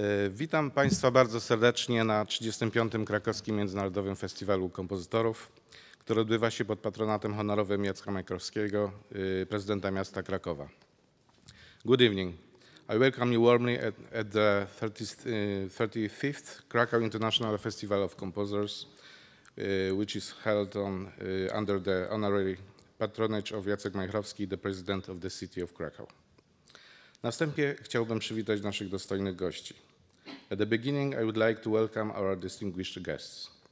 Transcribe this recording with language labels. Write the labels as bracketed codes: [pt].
[pl] Witam Państwa bardzo serdecznie na 35. Krakowskim Międzynarodowym Festiwalu Kompozytorów, który odbywa się pod patronatem honorowym Jacka Majkrowskiego, prezydenta miasta Krakowa. [en] Good evening. I welcome you warmly at the 35th Krakow International Festival of Composers, which is held on under the honorary patronage of Jacek Majchrowski, the president of the city of Krakow. [pl] Na wstępie chciałbym przywitać naszych dostojnych gości. [en] At the beginning, I would like to welcome our distinguished guests.